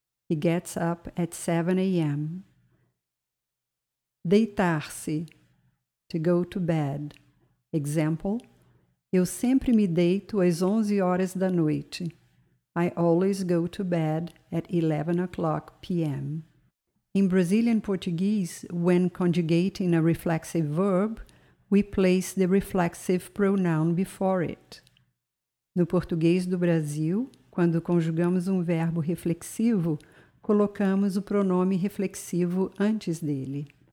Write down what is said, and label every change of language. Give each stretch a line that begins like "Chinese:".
English: He gets up at 7 a.m. Deitar-se, to go to bed.
Portuguese: Example: Eu sempre me deito às 11 horas da noite.
English: I always go to bed at 11 o'clock p.m. In Brazilian Portuguese, when conjugating a reflexive verb, we place the reflexive pronoun before it.
Portuguese: No português do Brasil, quando conjugamos um verbo reflexivo, colocamos o pronome reflexivo antes dele.